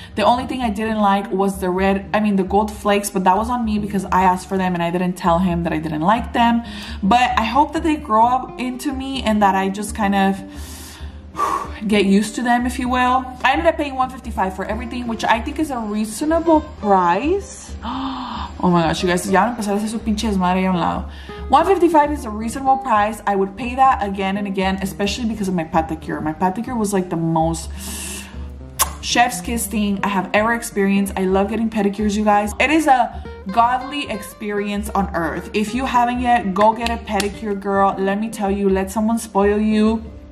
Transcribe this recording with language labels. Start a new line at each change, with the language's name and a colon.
English: The only thing I didn't like was the gold flakes, but that was on me because I asked for them and I didn't tell him that I didn't like them. But I hope that they grow up into me and that I just kind of get used to them, if you will. I ended up paying $155 for everything, which I think is a reasonable price. Oh my gosh, you guys,
Spanish: ya empezar a hacer su pinche desmadre ahí a un lado.
English: $155 is a reasonable price. I would pay that again and again, especially because of my pedicure. My pedicure was like the most chef's kiss thing I have ever experienced. I love getting pedicures, you guys. It is a godly experience on earth. If you haven't yet, go get a pedicure, girl. Let me tell you, let someone spoil you.